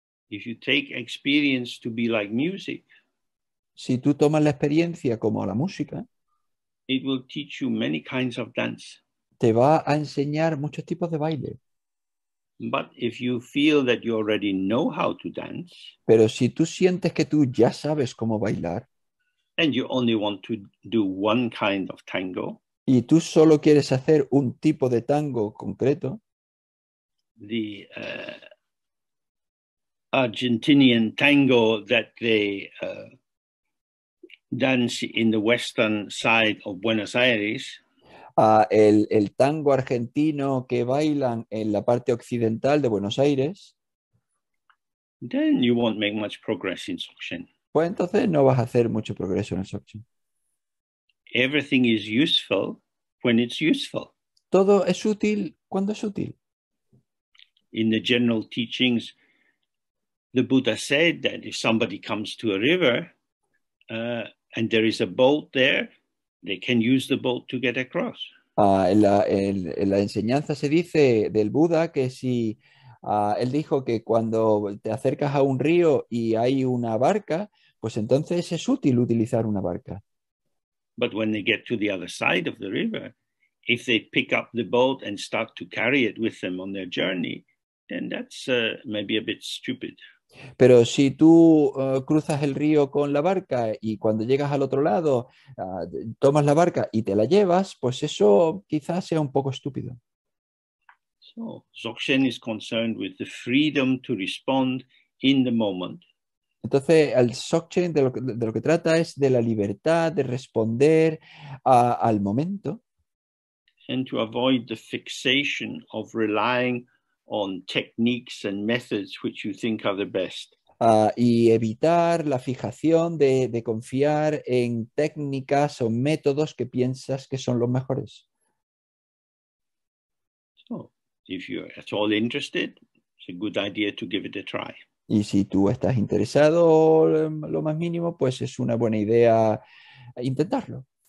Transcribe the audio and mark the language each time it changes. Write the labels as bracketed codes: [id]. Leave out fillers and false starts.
[en] If you take experience to be like music, [es] Si tú tomas la experiencia como la música, [en] it will teach you many kinds of dance. [es] te va a enseñar muchos tipos de baile. [en] But if you feel that you already know how to dance, [es] Pero si tú sientes que tú ya sabes cómo bailar, [en] and you only want to do one kind of tango, [es] y tú solo quieres hacer un tipo de tango concreto, [en] the Argentinian tango that they dance in the western side of Buenos Aires. [es] el tango argentino que bailan en la parte occidental de Buenos Aires, [en] Then you won't make much progress in suction. [es] pues entonces no vas a hacer mucho progreso en el suction. [en] Everything is useful when it's useful. [es] Todo es útil cuando es útil. [en] In the general teachings, the Buddha said that if somebody comes to a river, and there is a boat there, they can use the boat to get across. [es] En la enseñanza se dice del Buda que si él dijo que cuando te acercas a un río y hay una barca, pues entonces es útil utilizar una barca. [en] But when they get to the other side of the river, if they pick up the boat and start to carry it with them on their journey, then that's maybe a bit stupid. [es] Pero si tú cruzas el río con la barca y cuando llegas al otro lado tomas la barca y te la llevas, pues eso quizás sea un poco estúpido. [en] So, Dzogchen is concerned with the freedom to respond in the moment. [es] Entonces, el Dzogchen de lo que trata es de la libertad de responder al momento. [en] And to avoid the fixation of relying on techniques and methods which you think are the best. [es] Y evitar la fijación de confiar en técnicas o métodos que piensas que son los mejores. [en] So, if you're at all interested, it's a good idea to give it a try. [es] Y si tú estás interesado lo más mínimo, pues es una buena idea intentarlo.